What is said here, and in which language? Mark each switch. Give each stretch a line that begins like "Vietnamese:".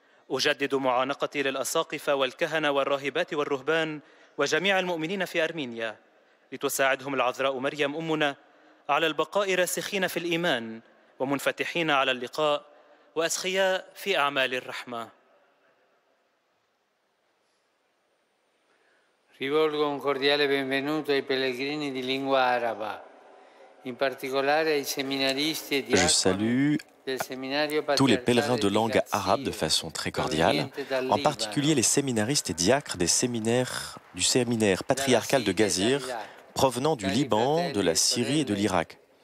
Arabic: أجدد معانقتي للأساقفة والكهنة والراهبات والرهبان وجميع المؤمنين في أرمينيا لتساعدهم العذراء مريم أمنا على البقاء راسخين في الإيمان ومنفتحين على اللقاء وأسخياء في أعمال الرحمة.
Italian: Rivolgo un cordiale benvenuto ai pellegrini di lingua araba, in particolare ai seminaristi e diaconi.
French: Tous les pèlerins de langue arabe de façon très cordiale, en particulier les séminaristes et diacres des séminaires du séminaire patriarcal de Gazir, provenant du Liban, de la Syrie et de l'Irak.